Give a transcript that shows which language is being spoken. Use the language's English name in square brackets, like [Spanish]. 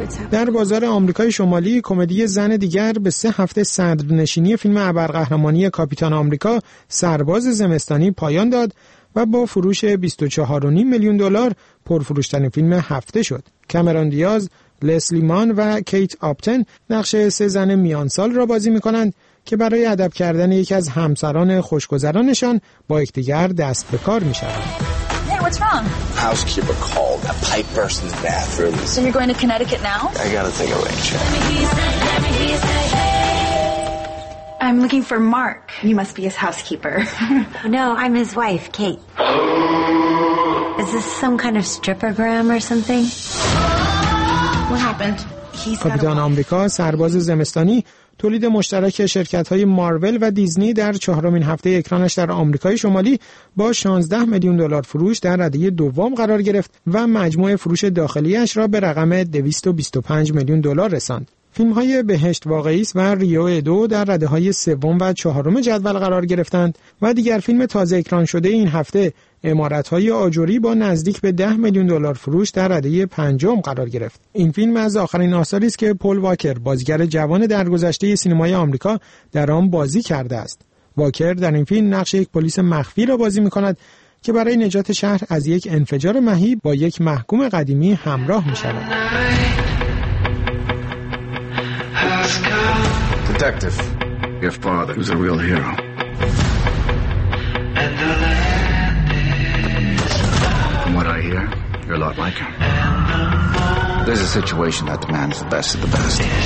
[Persian] در بازار آمریکای شمالی کمدی زن دیگر به 3 هفته صدرنشینی فیلم ابرقهرمانی کاپیتان آمریکا سرباز زمستانی پایان داد و با فروش 24.5 میلیون دلار پرفروش‌ترین فیلم هفته شد. کامرون دیاز، لسلی مان و کیت آپتن نقش 3 زن میانسال را بازی می‌کنند که برای ادب کردن یکی از همسران خوشگذرانشان با یکدیگر دست به کار می‌شوند. [English] What's wrong? Housekeeper called. A pipe burst in the bathroom. So you're going to Connecticut now? I gotta take a rain check. I'm looking for Mark. You must be his housekeeper. No, I'm his wife, Kate. Is this some kind of strippergram or something? What happened? [Persian] کاپیتان آمریکا سرباز زمستانی تولید مشترک شرکت‌های مارول و دیزنی در 4 هفته اکرانش در آمریکای شمالی با 16 میلیون دلار فروش در رده دوم قرار گرفت و مجموع فروش داخلیش را به رقم 225 میلیون دلار رساند. فیلم‌های بهشت واقعی است و ریو 2 در رده‌های سوم و چهارم جدول قرار گرفتند و دیگر فیلم تازه اکران شده این هفته عمارت‌های آجری با نزدیک به 10 میلیون دلار فروش در رده پنجم قرار گرفت. این فیلم از آخرین آثاری است که پل واکر، بازیگر جوان درگذشته سینمای آمریکا، در آن بازی کرده است. واکر در این فیلم نقش یک پلیس مخفی را بازی می‌کند که برای نجات شهر از یک انفجار مهیب با یک محکوم قدیمی همراه می‌شود. [English] Detective, your father is a real hero. From what I hear, you're a lot like him. There's a situation that demands the best of the best.